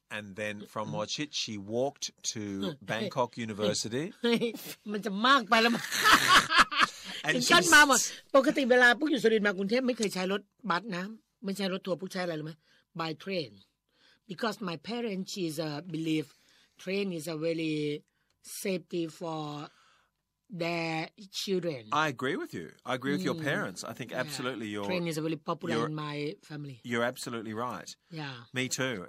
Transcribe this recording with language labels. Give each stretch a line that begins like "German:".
English: And then from Mo Chit, she walked to Bangkok University.
Thai: มันจะมากไปแล้วมั้งฉันมาหมดปกติเวลาพวกอยู่สุรินทร์มากรุงเทพไม่เคยใช้รถบัสนะไม่ใช่รถทัวร์พวกใช้อะไรรู้ไหม
English: By train. Because my parents is believe train is a very safety for their children. I agree with you. I agree with your parents. I think absolutely your... Train is really popular in my family. You're absolutely right. Yeah. Me too.